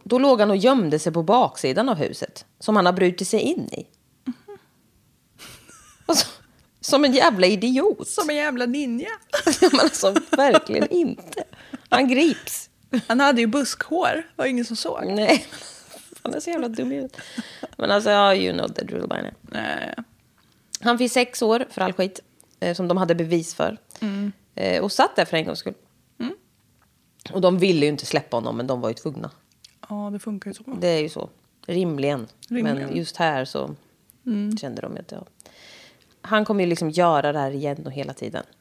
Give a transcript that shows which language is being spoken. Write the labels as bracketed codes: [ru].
[sv] Då låg han och gömde sig på baksidan av huset. Som han har brutit sig in i. Mm. Alltså, som en jävla idiot. Som en jävla ninja. Men alltså, verkligen inte. Han grips. Han hade ju buskhår, det var ingen som såg. Nej, han är så jävla dum. Men alltså, [en] you know the drill by now. [sv] Han fick 6 år för all skit som de hade bevis för. Mm. Och satt där för en gångs skull. Mm. Och de ville ju inte släppa honom, men de var ju tvungna. Ja, det funkar ju så. Det är ju så, rimligen. Men just här så kände de att han kommer ju liksom göra det här igen och hela tiden.